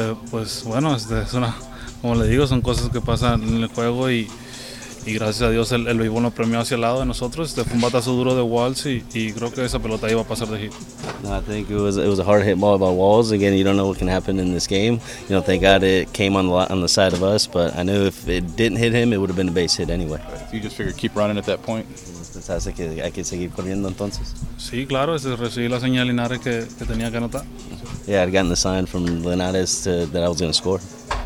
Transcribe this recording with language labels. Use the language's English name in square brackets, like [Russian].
[Spanish] Pues bueno, es una, como le digo, son cosas que pasan en el juego y. Y gracias a Dios el béisbol nos premió hacia el lado de nosotros. Fue un batazo duro de Walls y creo que esa pelota iba a pasar de hit. [English] No, I think it was a hard hit ball by Walls. Again, you don't know what can happen in this game. You know, thank God it came on the side of us. But I knew if it didn't hit him, it would have been a base hit anyway. So you just figured keep running at that point. [Spanish] Pensabas que hay que seguir corriendo entonces. Sí, claro. Recibí la señal de Linares que tenía que anotar. [English] Yeah, I'd gotten the sign from Linares that I was going to score.